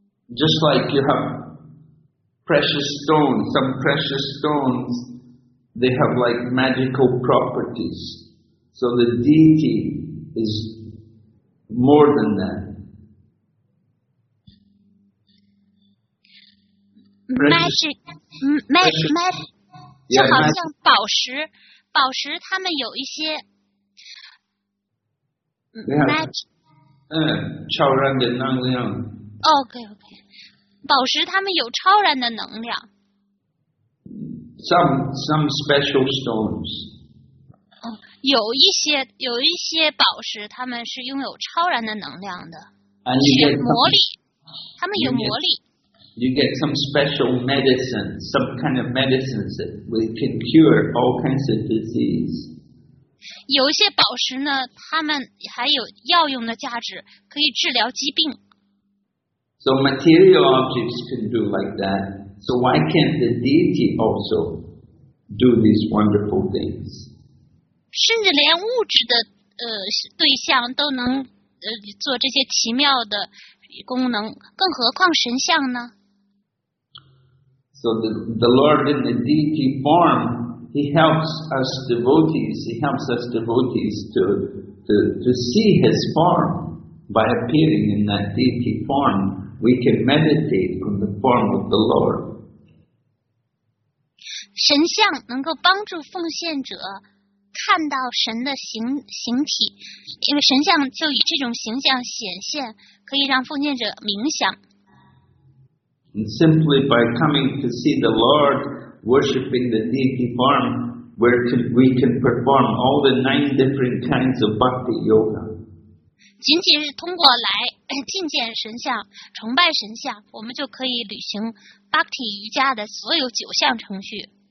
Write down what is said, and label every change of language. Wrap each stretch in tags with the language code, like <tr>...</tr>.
<en>Just like you have precious stones, some precious stones, they have like magical properties. So the deity is more than that.</en> <zh>Magic, 就好像宝石，宝石它们有一些 magic, 超然的能量。 OK, 宝石它们有超然的能量。</zh> <en>Some special stones.</en> <zh>有一些宝石，他们是拥有超然的能量的，魔力，他们有魔力。</zh> <en>You get some special medicine, some kind of medicines that we can cure all kinds of disease.</en> <zh>有一些宝石呢，他们还有药用的价值，可以治疗疾病。</zh> <en>So material objects can do like that. So why can't the deity also do these wonderful things?</en> <zh>甚至连物质的对象都能做这些奇妙的功能，更何况神像呢？</zh> <en>So the Lord in the deity form, he helps us devotees. He helps us devotees to see his form by appearing in that deity form. We can meditate on the form of the Lord.</en> <zh>神像能够帮助奉献者。看到神的 形体，因为神像就以这种形象显现，可以让奉献者冥想。</zh> <en>And simply by coming to see the Lord, worshipping the deity form, we can perform all the 9 different kinds of bhakti yoga.</en> <zh>仅仅是通过来觐见神像、崇拜神像，我们就可以履行 bhakti 瑜伽的所有九项程序。</zh>